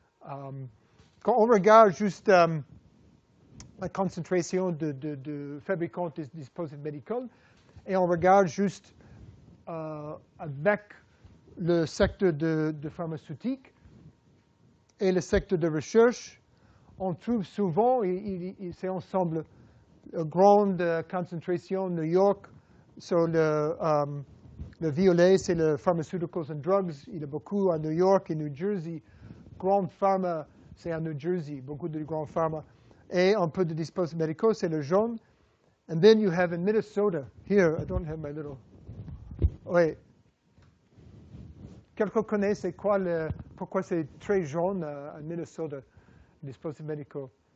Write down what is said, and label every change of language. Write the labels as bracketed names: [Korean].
[French] Quand on regarde juste la concentration de fabricants de dispositifs médicaux, et on regarde juste avec le secteur de pharmaceutique et le secteur de recherche, on trouve souvent, il c'est ensemble, une grande concentration New York sur le violet, c'est le [English] pharmaceuticals and drugs. [French] Il y a beaucoup à New York et New Jersey. Grande pharma, c'est à New Jersey, beaucoup de grandes pharma. Et un peu de dispositifs médicaux, c'est le jaune. [English] And then you have in Minnesota, here, I don't have my little... [French] Oui. Quelqu'un connaît c'est quoi le... pourquoi c'est très jaune à Minnesota, dispositifs médicaux?